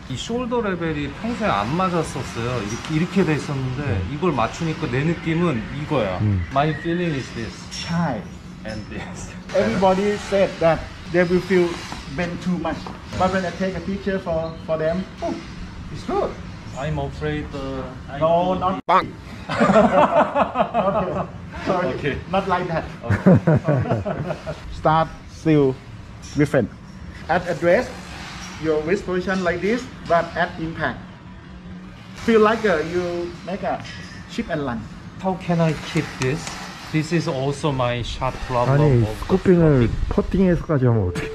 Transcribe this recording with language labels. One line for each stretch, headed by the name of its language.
Korean: 이 숄더 레벨이 평생 안 맞았었어요. 이렇게 돼 있었는데 이걸 맞추니까 내 느낌은 이거야.
English: My feeling is this. Shy and this. Everybody said that they will feel bent too much. But when I take a picture for them, oh, it's good. I'm afraid. No, not. Bang. Okay. Sorry. Okay. Not like that. Okay. Start. Still. Griffin, at address, your wrist position like this, but at impact. Feel like you make a chip and run. How can I keep this? This is also my shot problem.
Korean: 아니, 스쿠핑을 퍼팅에서까지 하면 어떻게?